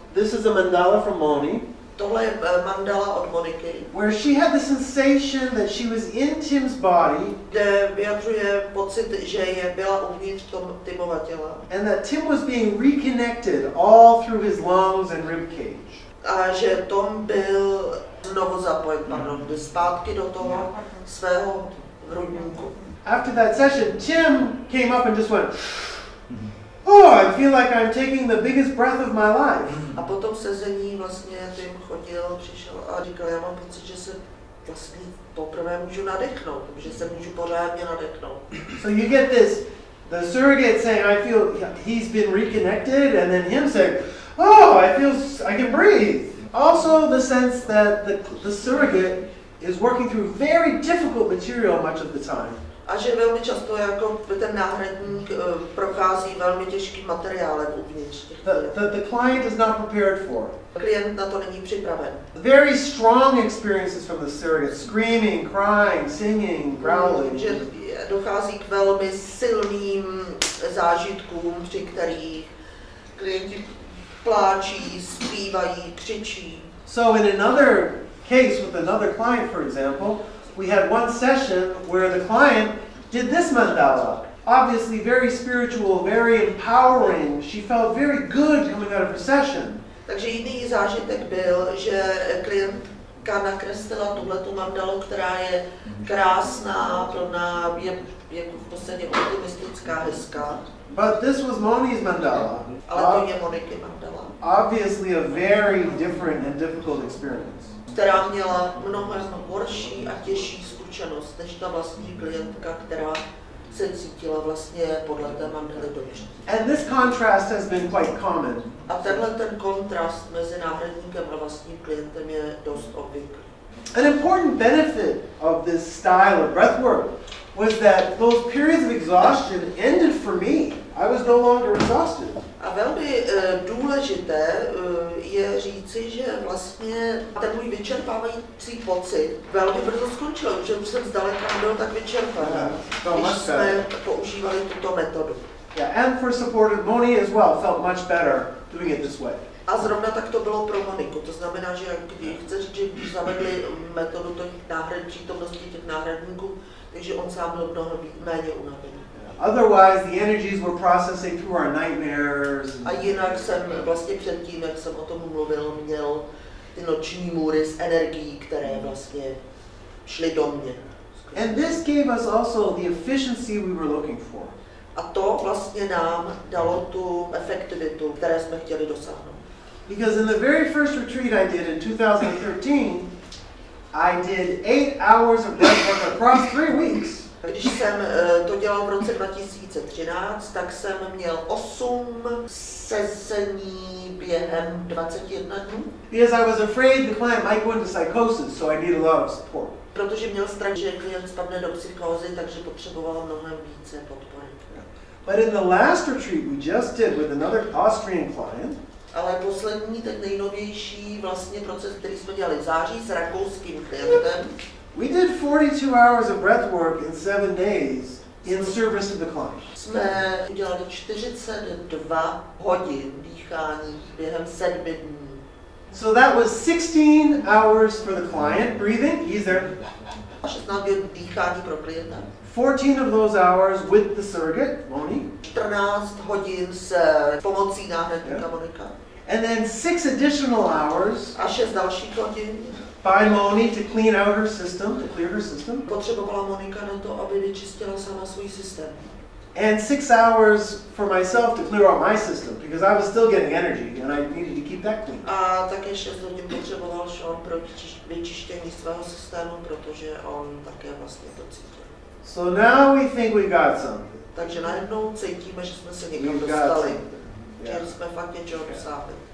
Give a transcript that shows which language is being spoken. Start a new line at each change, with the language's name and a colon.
English: This is a mandala from Moni.
Czech: Tohle je mandala od Moniky.
English: Where she had the sensation that she was in Tim's body.
Czech: Kde vyjadřuje pocit, že je byla uvnitř tom Timova těla.
English: And that Tim was being reconnected all through his lungs and rib cage.
Czech: A že Tom byl znovu zapojit, byl zpátky do toho svého hrudníku.
English: After that session, Tim came up and just went, oh, I feel like I'm taking the biggest breath of my life.
Czech: A po tom sezení vlastně Tim chodil, přišel a říkal, já mám pocit, že se vlastně poprvé můžu nadechnout, že se můžu pořádně nadechnout.
English: So you get this, the surrogate saying, I feel he's been reconnected, and then him saying, oh, I can breathe. Also the sense that the surrogate is working through very difficult material much of the time.
Czech: A že velmi často jako ten náhradník prochází velmi těžkým materiálem uvnitř.
English: The client is not prepared for.
Czech: Klient na to není připraven.
English: Very strong experiences from the surrogate, screaming, crying, singing, growling.
Czech: Že dochází k velmi silným zážitkům, při kterých klienti pláčí, zpívají, křičí.
English: So in another case with another client, for example, we had one session where the client did this mandala. Obviously very spiritual, very empowering. She felt very good coming out of her session.
Czech: Takže jiný zážitek byl, že klientka nakreslila tuhletu mandalu, která je krásná, plná, je v podstatě optimistická, hezká.
English: But this was Moni's mandala.
Czech: Ale to je Moniky mandala.
English: Obviously a very different and difficult experience.
Czech: Která měla mnohem horší a těžší zkušenost než ta vlastní klientka, která se cítila vlastně podle té mandaly dobře.
English: And this contrast has been quite common.
Czech: A tenhle ten kontrast mezi náhradníkem a vlastním klientem je dost obvyklý.
English: An important benefit of this style of breathwork was that those periods of exhaustion ended for me. I was no longer exhausted.
Czech: A velmi důležité je říci, že vlastně ten můj vyčerpávající pocit velmi brzo skončil, že jsem zdaleka nebyl tak vyčerpaný, když jsme používali tuto metodu.
English: Yeah, and for supported Moni as well, felt much better doing it this way.
Czech: A zrovna tak to bylo pro Moniku, to znamená, že chce říct, že když zavedli metodu přítomnosti těch náhradníků, takže on sám byl mnohem méně unavený.
English: Otherwise, the energies were processing through our nightmares.
Czech: A jinak jsem vlastně předtím, jak jsem o tom mluvil, měl ty noční můry s energií, které vlastně šly do mě.
English: And this gave us also the efficiency we were looking for.
Czech: A to vlastně nám dalo tu efektivitu, které jsme chtěli dosáhnout.
English: Because in the very first retreat I did in 2013, I did 8 hours of breathwork across 3 weeks.
Czech: Když jsem to dělal v roce 2013, tak jsem měl 8 sezení během 21 dnů.
English: Because I was afraid the client might go into psychosis, so I need a lot of support.
Czech: Protože měl strach, že klient spadne do psychózy, takže potřeboval mnohem více podpory.
English: But in the last retreat we just did with another Austrian client.
Czech: Ale poslední, ten nejnovější vlastně proces, který jsme dělali v září s rakouským klientem.
English: We did 42 hours of breath work in 7 days in service to the client.
Czech: Jsme udělali 42 hodin dýchání během 7 dní.
English: So that was 16 hours for the client breathing. He's there.
Czech: 16 hodin dýchání pro klienta.
English: 14 of those hours with the surrogate, Moni.
Czech: 14 hodin s pomocí náhradníka Monika.
English: And then 6 additional hours.
Czech: A 6 dalších hodin.
English: By Moni to clean out her system, to clear her system.
Czech: Potřebovala Monika na to, aby vyčistila sama svůj systém.
English: And 6 hours for myself to clear out my system, because I was still getting energy and I needed to keep that clean.
Czech: A také 6 hodin potřeboval Sean pro vyčištění svého systému, protože on také vlastně to cítil.
English: So now we think we got something.
Czech: Takže najednou cítíme, že jsme se někam dostali. Že jsme fakt něčeho dosáhli.